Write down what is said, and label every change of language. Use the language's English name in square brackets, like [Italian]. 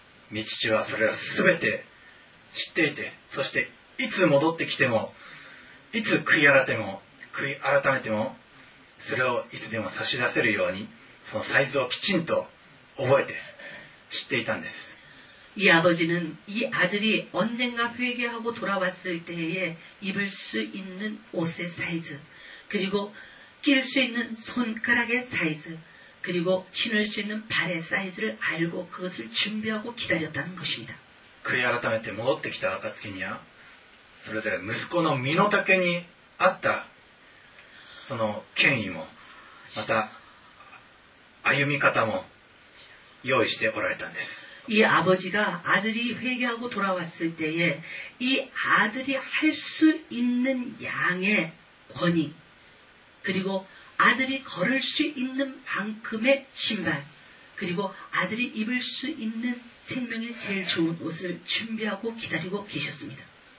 [Japanese] 미치치와それを全て知っていてそしていつ戻ってきてもいつ悔い改ても悔い改めてもそれをいつでも差し出せるようにそのサイズをきちんと覚えて知っていたんです。 [Korean] 이아버지는이아들이언젠가회개하고돌아왔을때에입을수있는옷의사이즈그리고낄수있는손가락의사이즈그리고신을수있는발의사이즈를알고그것을준비하고기다렸다는것입니다 [Japanese] 그야改めて戻ってきた暁にはそれぞれ息子の身の丈に合ったその権威もまた歩み方も用意しておられたんです [Korean] 이아버지가아들이회개하고돌아왔을때에이아들이할수있는양의권위그리고아들이걸을수있는만큼의신발그리고아들이입을수있는생명의제일좋은옷을준비하고기다리고계셨습니다